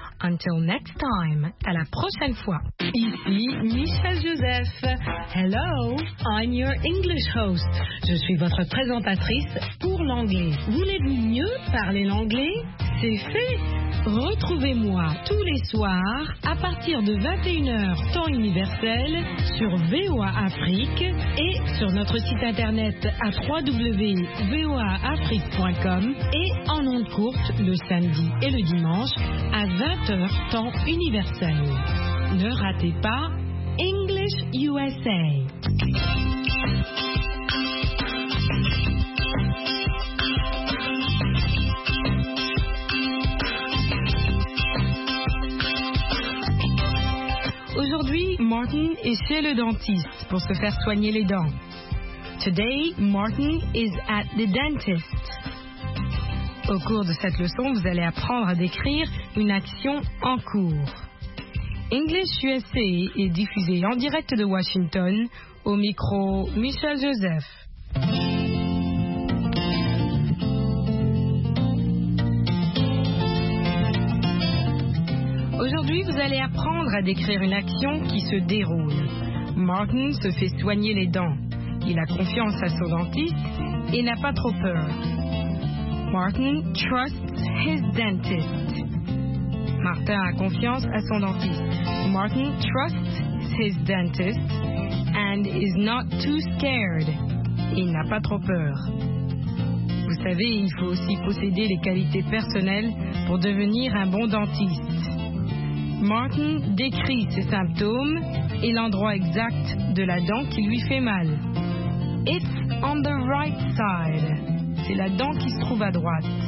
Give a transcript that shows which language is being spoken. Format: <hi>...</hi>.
<en>Until next time,</en> <fr>à la prochaine fois. Ici Michel Joseph.</fr> <en>Hello, I'm your English host.</en> <fr>Je suis votre présentatrice pour l'anglais. Voulez-vous mieux parler l'anglais? C'est fait. Retrouvez-moi tous les soirs à partir de 21h temps universel sur VOA Afrique et sur notre site internet à www.voaafrique.com et en ondes courtes le samedi et le dimanche à 20h temps universel. Ne ratez pas English USA. Aujourd'hui, Martin est chez le dentiste pour se faire soigner les dents.</fr> <en>Today, Martin is at the dentist.</en> <fr>Au cours de cette leçon, vous allez apprendre à décrire une action en cours. English USA est diffusé en direct de Washington au micro Michel Joseph. Aujourd'hui, vous allez apprendre à décrire une action qui se déroule. Martin se fait soigner les dents. Il a confiance à son dentiste et n'a pas trop peur.</fr> <en>Martin trusts his dentist.</en> <fr>Martin a confiance à son dentiste.</fr> <en>Martin trusts his dentist and is not too scared.</en> <fr>Il n'a pas trop peur. Vous savez, il faut aussi posséder les qualités personnelles pour devenir un bon dentiste. Martin décrit ses symptômes et l'endroit exact de la dent qui lui fait mal.</fr> <en>It's on the right side.</en> <fr>C'est la dent qui se trouve à droite.</fr>